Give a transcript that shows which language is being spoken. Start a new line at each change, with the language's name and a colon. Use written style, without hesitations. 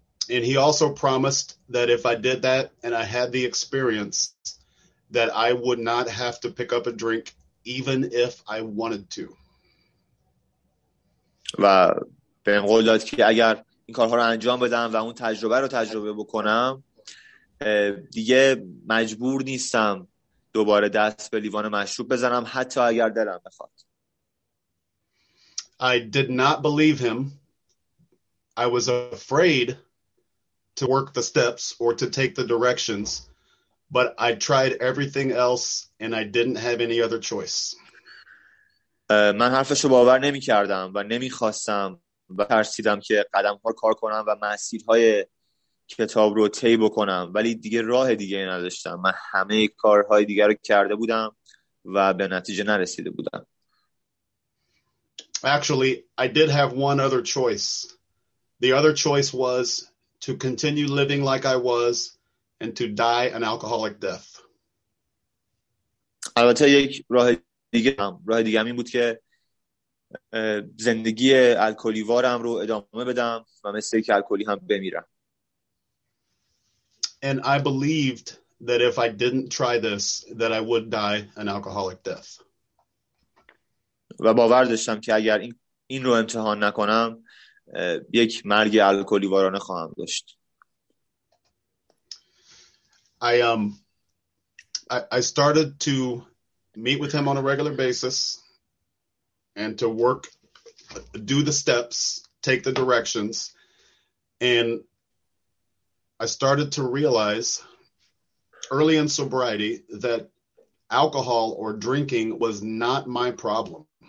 English: And he also promised that if I did that and I had the experience that I would not have to pick up a drink even if I wanted to.
Persian: و به این قول داد که اگر این کارها رو انجام بدم و اون تجربه بکنم دیگه مجبور نیستم دوباره دست به لیوان مشروب بزنم حتی اگر دلم بخواد.
English: I did not believe him. I was afraid to work the steps or to take the directions. But I tried everything else and I didn't have any other choice.
Persian: من حرفش رو باور نمی کردم و نمی خواستم و ترسیدم که قدم ها کار کنم و مسیرهای کتاب رو طی بکنم، ولی دیگه راه دیگه نداشتم. من همه کارهای دیگر رو کرده بودم و به نتیجه نرسیده بودم.
English: Actually, I did have one other choice. The other choice was to continue living like I was and to die an alcoholic death.
Persian: البته یک راه دیگه هم این بود که زندگی الکلیوارم رو ادامه بدم و مثل یک الکلی هم بمیرم.
English: And I believed that if I didn't try this, that I would die an alcoholic death.
Persian: و باور داشتم که اگر این رو امتحان نکنم یک مرگ الکلیوارانه خواهم داشت.
English: I started to meet with him on a regular basis and to work, do the steps, take the directions, and I started to realize early in sobriety that alcohol or drinking was not my problem.